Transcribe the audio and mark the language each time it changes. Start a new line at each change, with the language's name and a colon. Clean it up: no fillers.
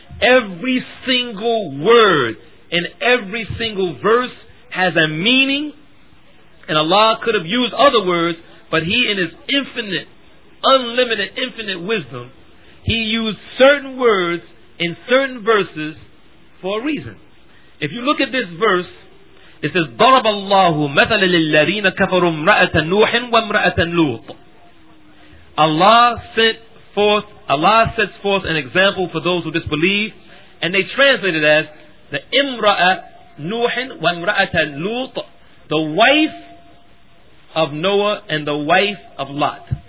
English: Every single word in every single verse has a meaning, and Allah could have used other words, but He, in His infinite, unlimited, infinite wisdom, He used certain words in certain verses for a reason. If you look at this verse, It says,
Arabic: ضَرَبَ اللَّهُ مَثَلَ لِلَّذِينَ كَفَرُوا امْرَأَةَ نُوحٍ وَامْرَأَةَ لُوطٍ.
English: Allah sets forth an example for those who disbelieve, and they translate it as the
Arabic: imra'a Nuhin wa imra'ata Lut,
English: the wife of Noah and the wife of Lot.